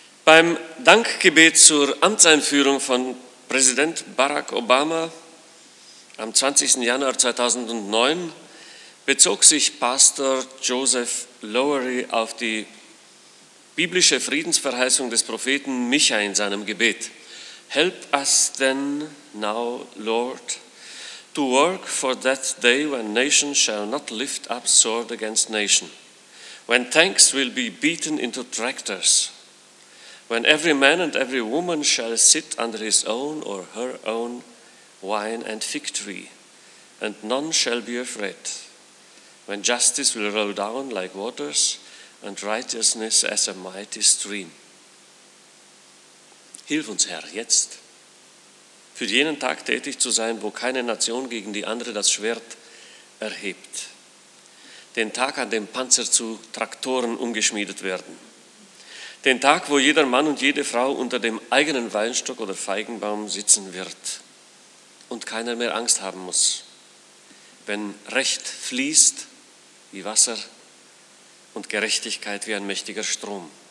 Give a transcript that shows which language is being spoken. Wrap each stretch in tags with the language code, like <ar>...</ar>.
<de>Beim Dankgebet zur Amtseinführung von Präsident Barack Obama am 20. Januar 2009 bezog sich Pastor Joseph Lowery auf die biblische Friedensverheißung des Propheten Micha in seinem Gebet.</de> <en>Help us then now, Lord, to work for that day when nation shall not lift up sword against nation, when tanks will be beaten into tractors, when every man and every woman shall sit under his own or her own wine and fig tree, and none shall be afraid, when justice will roll down like waters and righteousness as a mighty stream.</en> <de>Hilf uns, Herr, jetzt, für jenen Tag tätig zu sein, wo keine Nation gegen die andere das Schwert erhebt. Den Tag, an dem Panzer zu Traktoren umgeschmiedet werden. Den Tag, wo jeder Mann und jede Frau unter dem eigenen Weinstock oder Feigenbaum sitzen wird und keiner mehr Angst haben muss, wenn Recht fließt wie Wasser und Gerechtigkeit wie ein mächtiger Strom.</de>